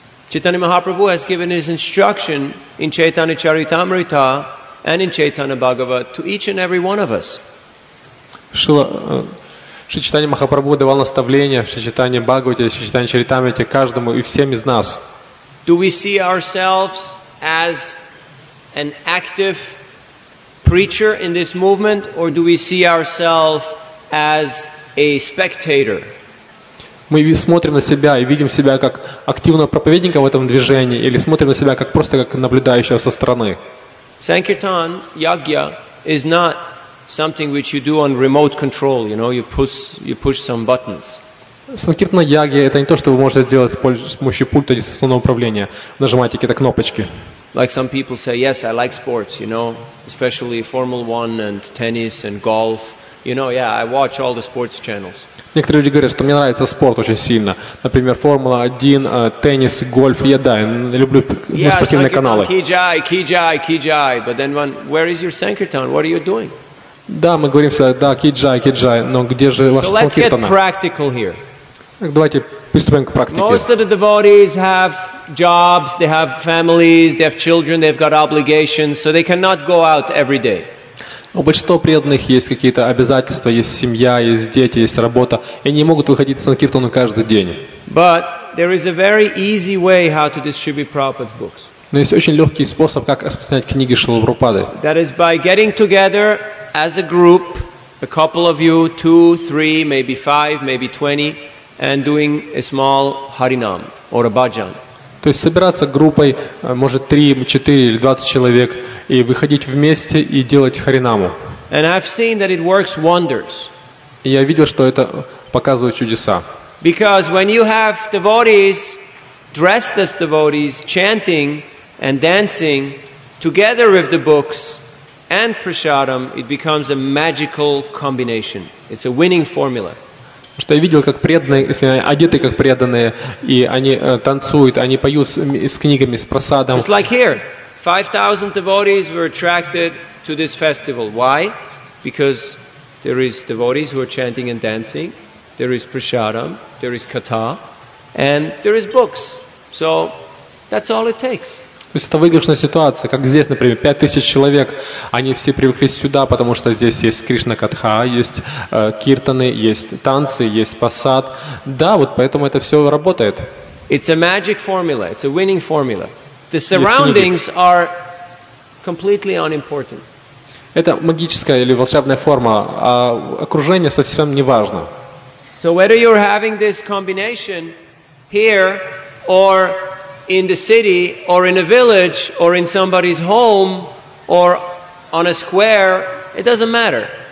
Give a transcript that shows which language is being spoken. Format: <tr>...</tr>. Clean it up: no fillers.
<en>Chaitanya Mahaprabhu has given his instruction in Chaitanya Charitamrita and in Chaitanya Bhagavat to each and every one of us.</en> <ru>Шри Чайтанья Махапрабху давал наставления в Шри Чайтанья Бхагавате, Шри Чайтанья Чаритамрите каждому и всем из нас.</ru> <en>Do we see ourselves as an active preacher in this movement, or do we see ourselves as a spectator?</en> <ru>Мы смотрим на себя и видим себя как активного проповедника в этом движении, или смотрим на себя как просто как наблюдающего со стороны?</ru> <en>Sankirtan Yagya is not something which you do on remote control, you know, you push some buttons.</en> <ru>Санкиртана Ягья — это не то, что вы можете сделать с помощью пульта дистанционного управления, нажимаете какие-то кнопочки.</ru> <en>Like some people say, yes, I like sports, you know, especially Formula One and tennis and golf. You know, yeah, I watch all the sports channels.</en> <ru>Некоторые люди говорят, что мне нравится спорт очень сильно. Например, Формула 1, теннис, гольф. Я да, я люблю спортивные каналы.</ru> <en>Kijai. But then when, where is your Sankirtan? What are you doing?</en> <ru>Да, мы говорим всегда, да, киджай, но где же ваша санкиртана?</ru> <en>So let's get practical here.</en> <ru>Так, давайте приступим к практике.</ru> <en>Most of the devotees have jobs, they have families, they have children, they've got obligations, so they cannot go out every day.</en> <ru>У большинства преданных есть какие-то обязательства, есть семья, есть дети, есть работа, и они не могут выходить в санкиртану каждый день.</ru> <en>But there is a very easy way how to distribute Prabhupada's books.</en> <ru>Но есть очень легкий способ, как распространять книги Шрилы Прабхупады.</ru> <en>That is by getting together as a group, a couple of you, 2, 3, maybe 5, maybe 20, and doing a small harinam or a bhajan.</en> <ru>То есть собираться группой, может 3, 4 или 20 человек, и выходить вместе и делать харинаму.</ru> <en>And I've seen that it works wonders.</en> <ru>Я видел, что это показывает чудеса.</ru> <en>Because when you have devotees dressed as devotees chanting and dancing together with the books and prasadam, it becomes a magical combination. It's a winning formula.</en> <ru>Что я видел, как преданные, если они одеты как преданные, и они танцуют, они поют с книгами, с прасадом.</ru> <en>Just like here, 5,000 devotees were attracted to this festival. Why? Because there is devotees who are chanting and dancing, there is prasadam, there is katha, and there is books. So that's all it takes.</en> <ru>То есть это выигрышная ситуация, как здесь, например, 5,000 человек, они все привыкли сюда, потому что здесь есть Кришна-катха, есть киртаны, есть танцы, есть пасад. Да, вот поэтому это все работает.</ru> <en>It's a magic formula, it's a winning formula. The surroundings are completely unimportant.</en> <ru>Это магическая или волшебная форма, а окружение совсем не важно.</ru> <en>So whether you're having this combination here or in the city or in a village or in somebody's home or on a square, it doesn't matter.</en>